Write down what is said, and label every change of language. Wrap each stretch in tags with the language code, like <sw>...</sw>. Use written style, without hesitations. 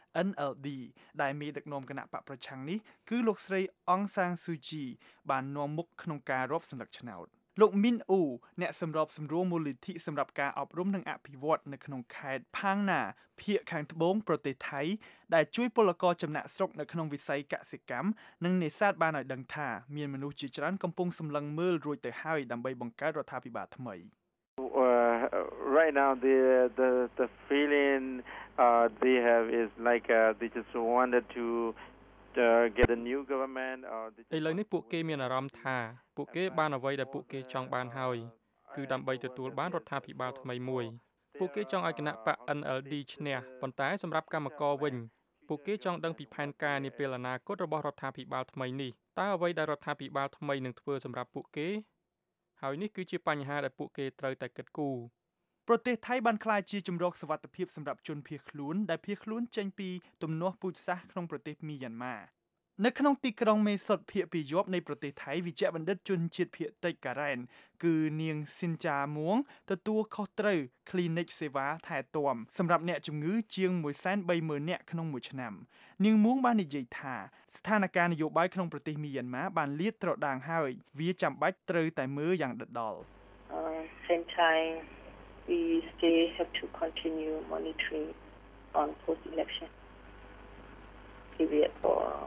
<km>NLD ដែលមានដឹកនាំគណៈបកប្រឆាំងនេះគឺលោកស្រីអង្សាងស៊ូជីបាននាំមុខក្នុងការរាប់សន្លឹកឆ្នោតលោកមីនអ៊ូអ្នកសម្របសម្រួលមូលនិធិសម្រាប់ការអប់រំនិងអភិវឌ្ឍនៅក្នុងខេត្តផាងណាភាគខាងត្បូងប្រទេសថៃដែលជួយពលករចំណាក់ស្រុកនៅក្នុងវិស័យកសិកម្មនិងនេសាទបានឲ្យដឹងថាមានមនុស្សជាច្រើនកំពុងសម្លឹងមើលរួចទៅហើយដើម្បីបង្កើតរដ្ឋាភិបាលថ្មី</km> <en>Right now the feeling they have is like they just wanted to get a new government or</en> <km>ឥឡូវនេះពួកគេមានអារម្មណ៍ថាពួកគេបានអ្វីដែលពួកគេចង់បានហើយគឺដើម្បីទទួលបានរដ្ឋាភិបាលថ្មីមួយពួកគេចង់ឲ្យគណៈបក NLD ឈ្នះប៉ុន្តែសម្រាប់កម្មករវិញពួកគេចង់ដឹងពីផែនការនាពេលអនាគតរបស់រដ្ឋាភិបាលថ្មីនេះតើអ្វីដែលរដ្ឋាភិបាលថ្មីនឹងធ្វើសម្រាប់ពួកគេហើយនេះគឺជាបញ្ហាដែលពួកគេត្រូវតែគិតគូរ ប្រទេសថៃបានក្លាយជាជំរកសវត្ថិភាពសម្រាប់ជនភៀសខ្លួនដែលភៀសខ្លួនចេញពីទំនាស់ពូជសាសន៍ក្នុងប្រទេសមីយ៉ាន់ម៉ានៅក្នុងទីក្រុងមេសុតភាគពាយ័ព្យនៃប្រទេសថៃវិជ្ជបណ្ឌិតជនជាតិភាគតិចការ៉ែនគឺនាងស៊ីនចាមួងទទួលខុសត្រូវគ្លីនិកសេវាថែទាំសម្រាប់អ្នកជំងឺជាង 130,000 នាក់ក្នុងមួយឆ្នាំនាងមួងបាននិយាយថាស្ថានភាពនយោបាយក្នុងប្រទេសមីយ៉ាន់ម៉ាបានលាតត្រដាងហើយវាចាំបាច់ត្រូវតែមើលយ៉ាងដិតដល់</km> <en>same time we still have to continue monitoring on post election period for</en>